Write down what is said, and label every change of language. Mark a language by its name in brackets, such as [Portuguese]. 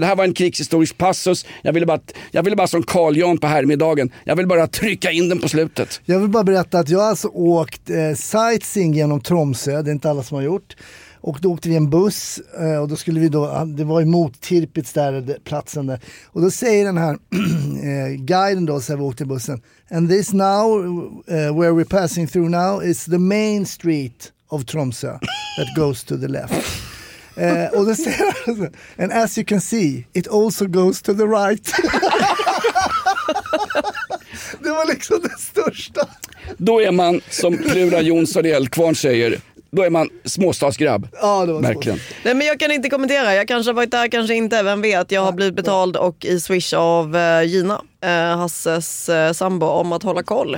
[Swedish] Det här var en krigshistorisk passus. Jag ville bara som Carl Jan på härmiddagen, jag vill bara trycka in den på slutet. Jag vill bara berätta att jag alltså åkt sightseeing genom Tromsö. Det är inte alla som har gjort. Och då åkte vi en buss och då skulle vi då, det var ju mot Tirpitz där, platsen där. Och då säger den här guiden då, så här, vi åkte bussen. [English] And this now, where we're passing through now, is the main street of Tromsø that goes to the left. [Swedish] Och då säger han, [English] and as you can see, it also goes to the right. [Swedish] Det var liksom det största. Då är man, som Plura Jonsson i Eldkvarn säger, då är man småstadsgrabb. Ja, det var verkligen. Nej, men jag kan inte kommentera. Jag kanske har varit där, kanske inte. Vem vet, jag har blivit betald och i swish av Gina, Hasses sambo, om att hålla koll.